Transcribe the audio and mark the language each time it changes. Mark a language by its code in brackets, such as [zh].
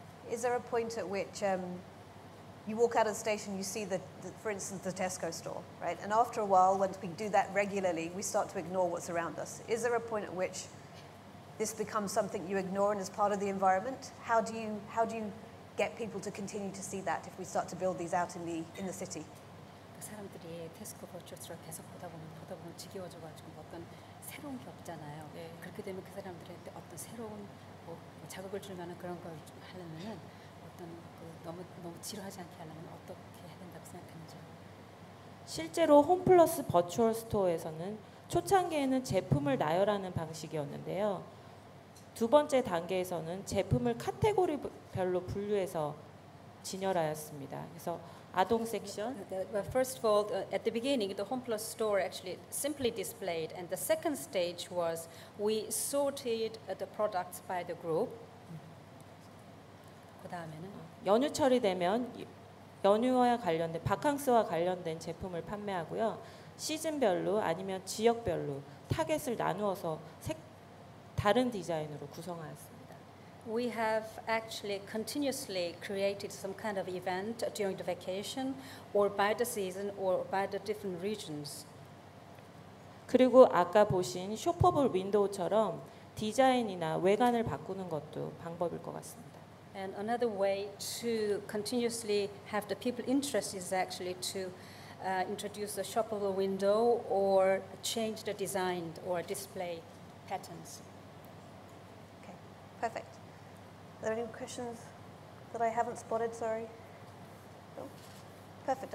[en] Is there a point at which you walk out of the station, you see the Tesco store, right? And after a while, once we do that regularly, we start to ignore what's around us. Is there a point at which this becomes something you ignore and is part of the environment? How do you get people to continue to see that if we start to build these out in the city. [ko] 사람들이 테스코 버추얼스토어 계속 보다 보면 지겨워져 가지고 어떤 새로운 게 없잖아요. 네. 그렇게 되면 그 사람들한테 어떤 새로운 뭐 자극을 줄 만한 그런 걸 좀 하려면은 어떤 그 너무 지루하지 않게 하려면 어떻게 해야 된다고 생각하는지. 실제로 홈플러스 버추얼 스토어에서는 초창기에는 제품을 나열하는 방식이었는데요. 두 번째 단계에서는 제품을 카테고리별로 분류해서 진열하였습니다. 그래서 아동 섹션. [en] First of all, at the beginning, the HomePlus store actually simply displayed, and the second stage was we sorted the products by the group. [ko] 그다음에는 연휴철이 되면 연휴와 관련된 바캉스와 관련된 제품을 판매하고요. 시즌별로 아니면 지역별로 타겟을 나누어서 다른 디자인으로 구성하였습니다. [en] We have actually continuously created some kind of event during the vacation or by the season or by the different regions. [ko] 그리고 아까 보신 쇼퍼블 윈도우처럼 디자인이나 외관을 바꾸는 것도 방법일 것 같습니다. [en] And another way to continuously have the people interested is actually to introduce a shoppable window or change the design or display patterns. Okay, perfect. Are there any questions that I haven't spotted? Sorry. No? Perfect.